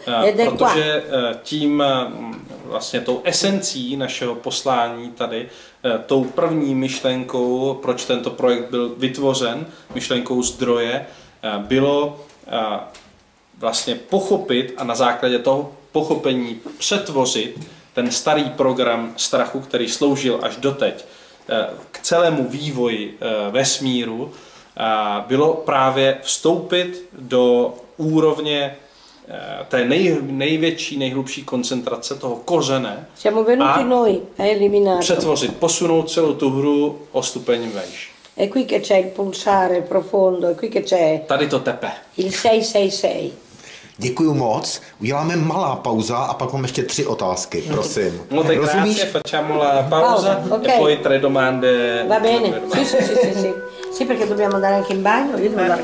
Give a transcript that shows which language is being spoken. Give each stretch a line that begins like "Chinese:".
Italian: Ed è qua.
Czech: Protože tím vlastně tou esencí našeho poslání tady, tou první myšlenkou, proč tento projekt byl vytvořen, myšlenkou zdroje, bylo vlastně pochopit a na základě toho pochopení přetvořit ten starý program strachu, který sloužil až doteď k celému vývoji vesmíru, bylo právě vstoupit do úrovně té největší, nejhlubší koncentrace toho kořene a přetvořit, posunout celou tu hru o stupeň vejš.
Italian: È qui che c'è il pulsare profondo, è qui che c'è.
Czech: Tady to tepe.
Italian: Il 666.
Czech: Děkuju moc. Uděláme malá pauza a pak mám ještě tři otázky, prosím. No tak rozumíš?
Italian: Facciamo la pausa e poi tre domande. Va bene. Sì, perché dobbiamo andare anche in bagno, io devo andare a